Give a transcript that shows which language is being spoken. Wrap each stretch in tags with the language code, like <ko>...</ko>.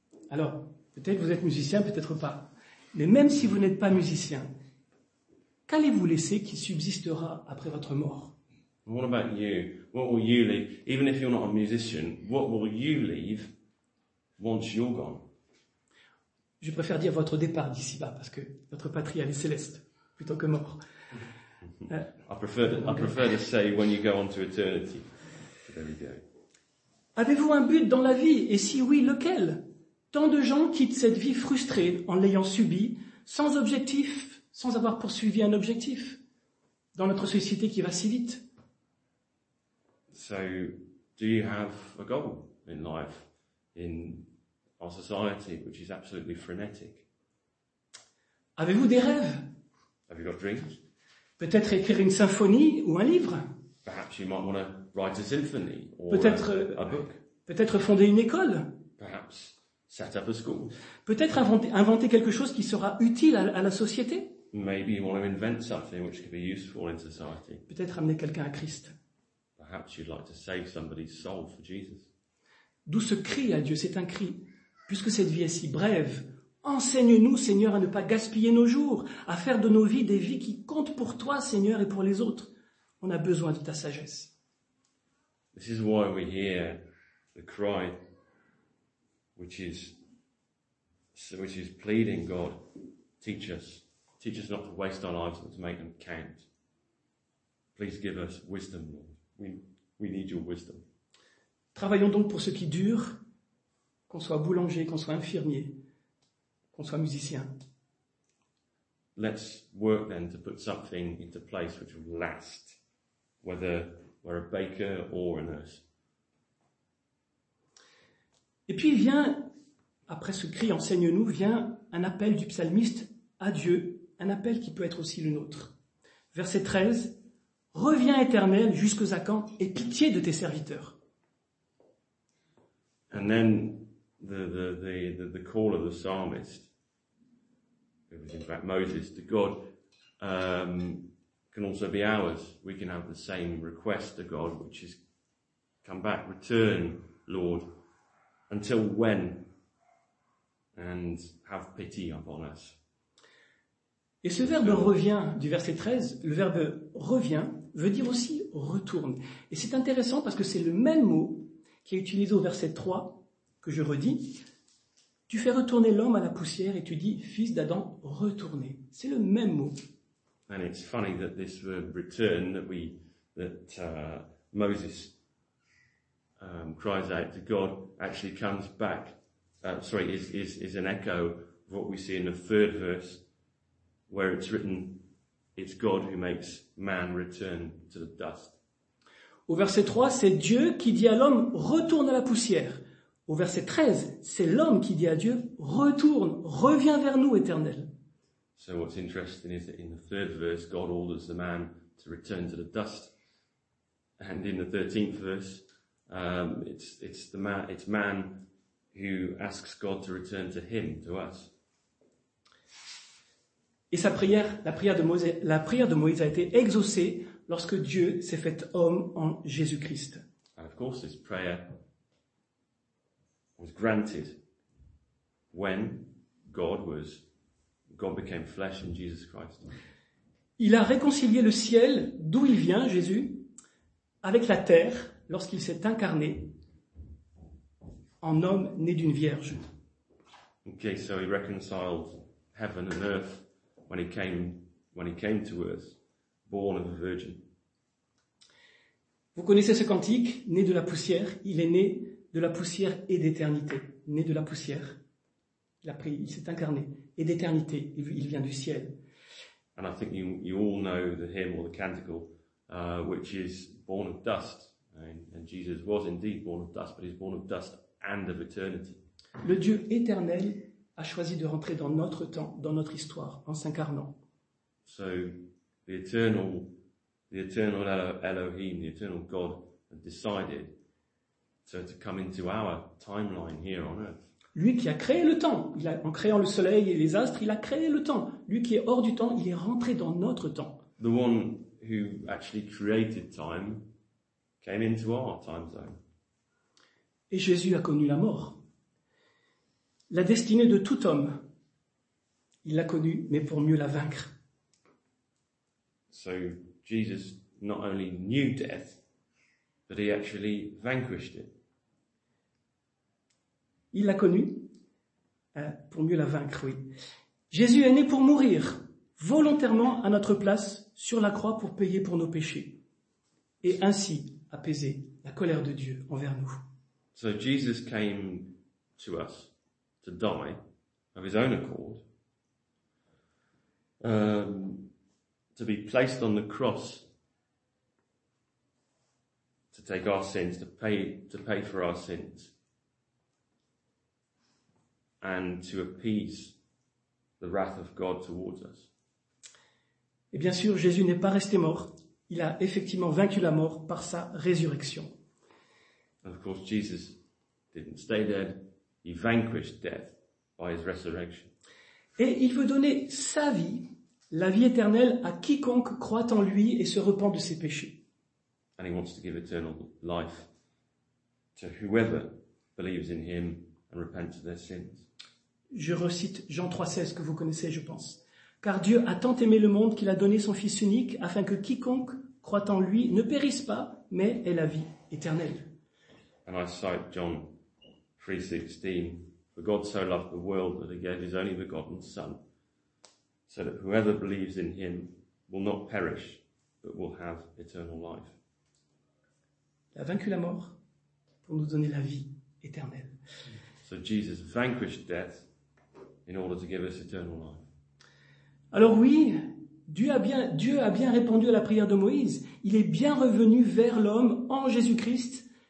<fr>Alors, peut-être vous êtes musicien, peut-être pas. Mais même si vous n'êtes pas musicien, qu'allez-vous laisser qui subsistera après votre mort?</fr> <en>What about you? What will you leave? Even if you're not a musician, what will you leave once you're gone?</en> <fr>Je préfère dire votre départ d'ici-bas, parce que votre patrie, elle est céleste. Plutôt que mort.</fr> <en>I prefer to say when you go on to eternity. There we go.</en> <fr>Avez-vous un but dans la vie? Et si oui, lequel? Tant de gens quittent cette vie frustrés en l'ayant subie, sans objectif, sans avoir poursuivi un objectif, dans notre société qui va si vite.</fr> <en>So, do you have a goal in life, in our society, which is absolutely frenetic?</en> <fr>Avez-vous des rêves?</fr> <en>Have you got dreams?</en> <fr>Peut-être écrire une symphonie ou un livre.</fr> <en>Perhaps you might want to write a symphony or</en> <fr>peut-être,</fr> <en>a book.</en> <fr>Peut-être fonder une école.</fr> <en>Perhaps set up a school.</en> <fr>Peut-être inventer quelque chose qui sera utile à la société.</fr> <en>Maybe you want to invent something which could be useful in society.</en> <fr>Peut-être amener quelqu'un à Christ.</fr> <en>Perhaps you'd like to save somebody's soul for Jesus.</en> <fr>D'où ce cri à Dieu, c'est un cri. Puisque cette vie est si brève, enseigne-nous, Seigneur, à ne pas gaspiller nos jours, à faire de nos vies des vies qui comptent pour toi, Seigneur, et pour les autres. On a besoin de ta sagesse.</fr> <en>This is why we hear the cry which is pleading God, teach us not to waste our lives, but to make them count. Please give us wisdom, Lord. We need your wisdom.</en> <fr>Travaillons donc pour ce qui dure, qu'on soit boulanger, qu'on soit infirmier, qu'on soit musicien.</fr> <en>Let's work then to put something into place which will last, whether we're a baker or a nurse.</en> <fr>Et puis vient, après ce cri, enseigne-nous, vient un appel du psalmiste à Dieu, un appel qui peut être aussi le nôtre. Verset 13, reviens éternel jusqu'à quand, et pitié de tes serviteurs.</fr> <en>And then the call of the psalmist, it was in fact Moses, to God, can also be ours. We can have the same request to God, which is, come back, return, Lord, until when, and have pity upon us.</en> <fr>Et ce verbe revient du verset 13, le verbe revient veut dire aussi retourne. Et c'est intéressant parce que c'est le même mot qui est utilisé au verset 3, que je redis. Tu fais retourner l'homme à la poussière et tu dis, fils d'Adam, retournez. C'est le même mot.</fr> <en>And it's funny that this word return, that Moses cries out to God, actually comes back. Is an echo of what we see in the third verse, where it's written, it's God who makes man return to the dust.</en> <fr>Au verset 3, c'est Dieu qui dit à l'homme, retourne à la poussière. Au verset 13, c'est l'homme qui dit à Dieu, retourne, reviens vers nous, Éternel.</fr> <en>So what's interesting is that in the third verse, God orders the man to return to the dust. And in the 13th verse, it's man who asks God to return to him, to us.</en> <fr>Et sa prière, la prière de Moïse a été exaucée lorsque Dieu s'est fait homme en Jésus-Christ.</fr> <en>And of course, his prayer was granted when God became flesh in Jesus Christ.</en> <fr>Il a réconcilié le ciel, d'où il vient, Jésus, avec la terre, lorsqu'il s'est incarné en homme né d'une vierge.</fr> <en>Okay, so he reconciled heaven and earth when he came to earth, born of a virgin.</en> <fr>Vous connaissez ce cantique, né de la poussière, il est né de la poussière et d'éternité. Né de la poussière. Il a pris, il s'est incarné. Et d'éternité, il vient du ciel.</fr> <en>And I think you all know the hymn or the canticle, which is born of dust. And Jesus was indeed born of dust, but he's born of dust and of eternity.</en> <fr>Le Dieu éternel a choisi de rentrer dans notre temps, dans notre histoire, en s'incarnant.</fr> <en>So the eternal Elohim, the eternal God, decided to come into our timeline here on earth.</en> <fr>Lui qui a créé le temps, en créant le soleil et les astres, il a créé le temps. Lui qui est hors du temps, il est rentré dans notre temps.</fr> <en>The one who actually created time came into our time zone.</en> <fr>Et Jésus a connu la mort. La destinée de tout homme, il l'a connue, mais pour mieux la vaincre.</fr> <en>So Jesus not only knew death, but he actually vanquished it.</en> <fr>Il l'a connu pour mieux la vaincre, oui. Jésus est né pour mourir volontairement à notre place sur la croix pour payer pour nos péchés et ainsi apaiser la colère de Dieu envers nous.</fr> <en>So Jesus came to us to die of his own accord, to be placed on the cross to take our sins, to pay for our sins. And to appease the wrath of God towards us.</en> <fr>Et bien sûr, Jésus n'est pas resté mort. Il a effectivement vaincu la mort par sa résurrection.</fr> <en>And of course, Jesus didn't stay dead. He vanquished death by his resurrection.</en> <fr>Et il veut donner sa vie, la vie éternelle, à quiconque croit en lui et se repent de ses péchés.</fr> <en>And he wants to give eternal life to whoever believes in him and repents of their sins.</en> <fr>Je recite Jean 3,16 que vous connaissez, je pense. Car Dieu a tant aimé le monde qu'il a donné son Fils unique, afin que quiconque croit en lui ne périsse pas, mais ait la vie éternelle.</fr> <en>And I cite John 3,16. For God so loved the world that he gave his only begotten Son, so that whoever believes in him will not perish, but will have eternal life.</en> <fr>Il a vaincu la mort pour nous donner la vie éternelle.</fr> <en>So Jesus vanquished death in order to give us eternal life.</en> <fr>Alors oui, Dieu a bien répondu à la prière de Moïse. Il est bien revenu vers l'homme en Jésus-Christ.</fr>